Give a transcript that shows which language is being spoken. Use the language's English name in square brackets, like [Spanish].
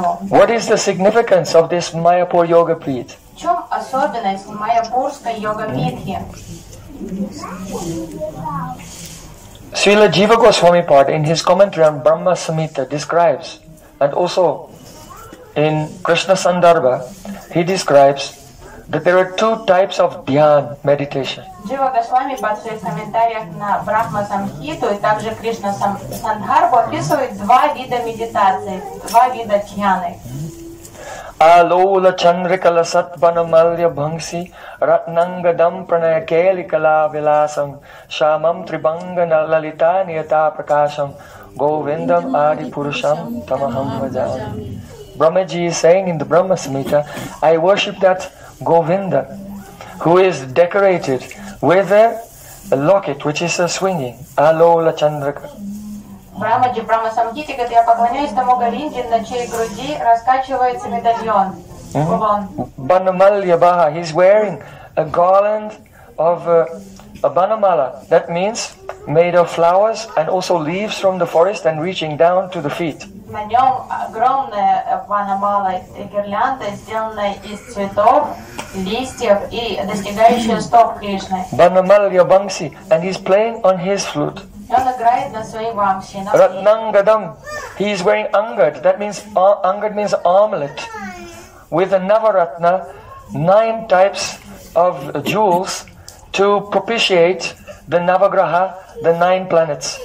[English] What is the significance of this Mayapur Yoga Peet? Srila Jiva Goswami Pad in his commentary on Brahma Samhita describes, and also in Krishna Sandarbha, he describes that there are two types of dhyan meditation. [Russian] Jiva Goswami Pad в своих комментариях на Брахма Самхиту и также Кришна Сандарбху описывает два вида медитации, два вида дхьяны. [Sanskrit] Alola Chandrikala Satvana Malya Bhangsi Ratnangadam Pranayakelikala Vilasam Shamam Tribanga Nalalita Niyata Prakasham Govindam Adi Purusham Tamaham Vajam. [English] Brahmaji is saying in the Brahma Samhita, I worship that Govinda who is decorated with a locket which is a swinging. [Sanskrit] Alola Chandrika. [Russian] Брамаджи Брама Самхити говорит, я поклоняюсь тому Галинде, на чьей груди раскачивается медальон. [English] Банамалья Баха, he's wearing a garland of a banamala, that means made of flowers and also leaves from the forest and reaching down to the feet. [Russian] На нем огромная банамала и гирлянда, сделанная из цветов, листьев и достигающая стоп Кришны. [English] Банамалья Бхангси, and he's playing on his flute. Ratnangadam, he is wearing angad, that means angad means armlet, with a navaratna, nine types of jewels to propitiate the navagraha, the nine planets.